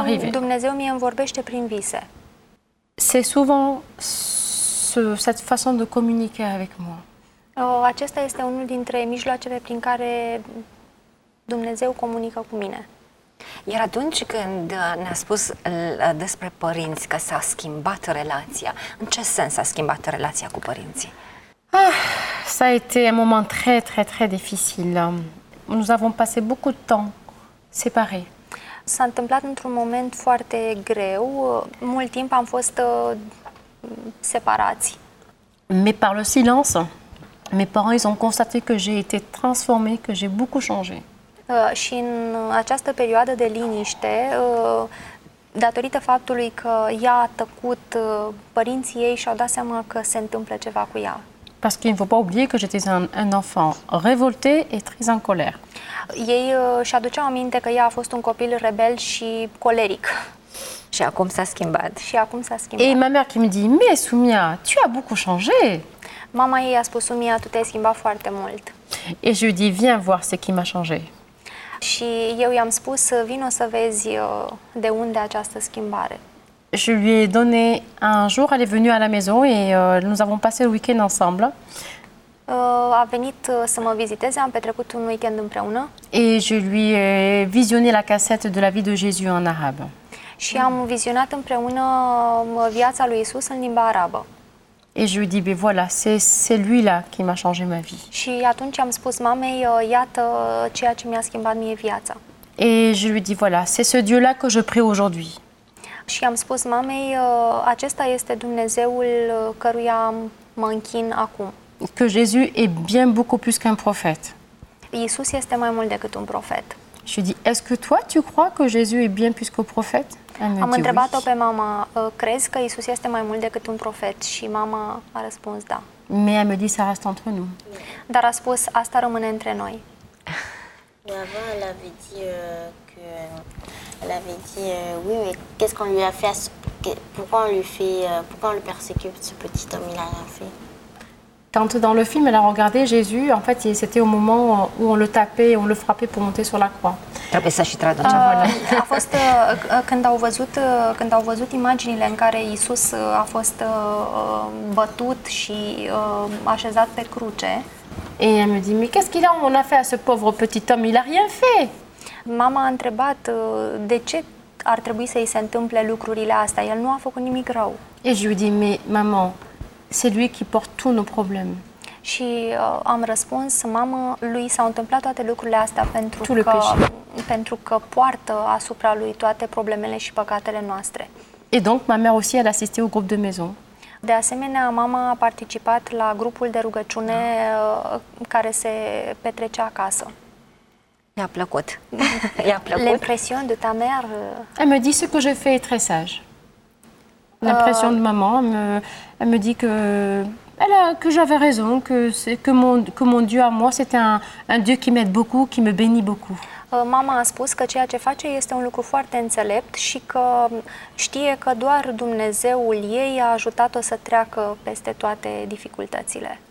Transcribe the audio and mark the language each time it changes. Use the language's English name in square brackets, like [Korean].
[Romanian] Dumnezeu mi-e vorbește prin vise. [French] C'est souvent cette façon de communiquer avec moi. [Romanian] Acesta este unul dintre mijloacele prin care Dumnezeu comunică cu mine. Iar atunci când ne-a spus despre părinți că s-a schimbat relația, în ce sens s-a schimbat relația cu părinții? [French] Ça a été un moment très très très difficile. Nous avons passé beaucoup de temps séparés. [Romanian] S-a întâmplat într-un moment foarte greu. Mult timp am fost separați. [French] Mais par le silence, mes parents ils ont constaté que j'ai été transformée, que j'ai beaucoup changé. [Romanian] Și în această perioadă de liniște, datorită faptului că ea a tăcut, părinții ei și-au dat seama că se întâmplă ceva cu ea. [French] Parce qu'il ne faut pas oublier que j'étais un enfant révolté et très en colère. [Romanian] Ei își aduceau aminte că ea a fost un copil rebel și coleric. Și acum s-a schimbat. Și acum s-a schimbat. [French] Et ma mère qui me dit: "Mais Soumia, tu as beaucoup changé." [Romanian] Mama ei a spus: "Soumia, tu te-ai schimbat foarte mult." [French] Et je lui dis: "Viens voir ce qui m'a changé." [Romanian] Și eu i-am spus: "Vino să vezi de unde această schimbare." [French] Je lui ai donné un jour, elle est venue à la maison et nous avons passé le week-end ensemble. [Romanian] A venit să mă viziteze, am petrecut un weekend împreună. [French] Et je lui ai visionné la cassette de la vie de Jésus en arabe. [Romanian] Și am vizionat împreună viața lui Isus în limba arabă. [French] Et je lui ai dit: "Mais voilà, c'est lui là qui m'a changé ma vie." [Romanian] Și atunci am spus mamei: "Iată ceea ce mi-a schimbat mie viața." [French] Et je lui ai dit: "Voilà, c'est ce Dieu là que je prie aujourd'hui." [Romanian] Și am spus mamei: "Acesta este Dumnezeul căruia mă închin acum." [French] Que Jésus est bien beaucoup plus qu'un prophète. [Romanian] Iisus este mai mult decât un profet. [French] Je lui dis: "Est-ce que toi tu crois que Jésus est bien plus qu'un prophète?" [Romanian] Am întrebat-o pe mama: "Crezi că Iisus este mai mult decât un profet?" Și mama a răspuns: "Da." [French] Mais elle me dit: "Ça reste entre nous." [Romanian] Dar a spus: "Asta rămâne între noi." [French] Avant, elle avait dit que elle avait dit oui, mais qu'est-ce qu'on lui a fait, pourquoi on le persécute, ce petit homme, il a rien fait. Quand dans le film elle a regardé Jésus, en fait c'était au moment où on le tapait, on le frappait pour monter sur la croix. [Romanian] Trebuie să și traduce. A fost când au văzut imaginile în care Iisus a fost bătut și așezat pe cruce. [French] Et elle me dit: "Mais qu'est-ce qu'il a, on a fait à ce pauvre petit homme, il a rien fait." [Romanian] Mama a întrebat de ce ar trebui să-i se întâmple lucrurile astea, el nu a făcut nimic rău. [French] Et je lui dis: "Mais maman, c'est lui qui porte tous nos problèmes." [Romanian] Și am răspuns: "Mamă, lui s-au întâmplat toate lucrurile astea pentru că poartă asupra lui toate problemele și păcatele noastre." [French] Et donc ma mère aussi elle a assisté au groupe de maison. [Romanian] De asemenea, mama a participat la grupul de rugăciune care se petrecea acasă. I-a plăcut. I-a plăcut. [French] L'impression de ta mère. Elle me dit: "Ce que je fais est très sage." L'impression de maman, elle me dit que j'avais raison, que mon Dieu à moi, c'était un Dieu qui m'aide beaucoup, qui me bénit beaucoup. [Romanian] Mama a spus că ceea ce face este un lucru foarte înțelept și că știe că doar Dumnezeul ei a ajutat-o să treacă peste toate dificultățile.